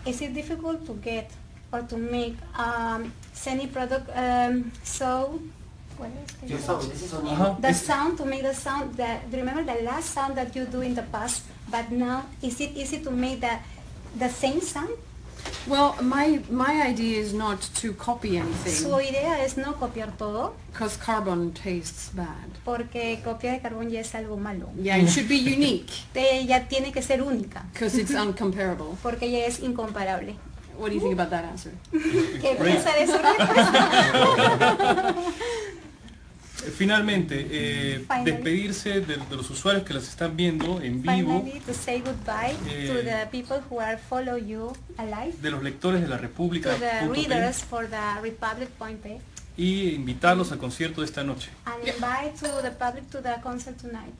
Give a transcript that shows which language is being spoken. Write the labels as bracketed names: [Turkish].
[English] Is it difficult to get or to make semi product sound to make the sound that remember the last sound that you do in the past, but now is it easy to make the same sound? Well, my idea is not to copy anything. [Spanish] Su idea es no copiar todo. [English] Because carbon tastes bad. [Spanish] Porque copia de carbón ya es algo malo. [English] Yeah, it should be unique. [Spanish] Ella tiene que ser única. [English] Because it's incomparable. [Spanish] Porque ella es incomparable. [English] What do you think about that answer? [Spanish] ¿Qué piensa de su respuesta? Finalmente, despedirse de los usuarios que las están viendo en vivo. [English] To say goodbye to the people who are follow you alive. [Spanish] De los lectores de la República. [English] To the readers for the Republic point page. [Spanish] Y invitarlos al concierto de esta noche. [English] And invite to the public to the concert tonight.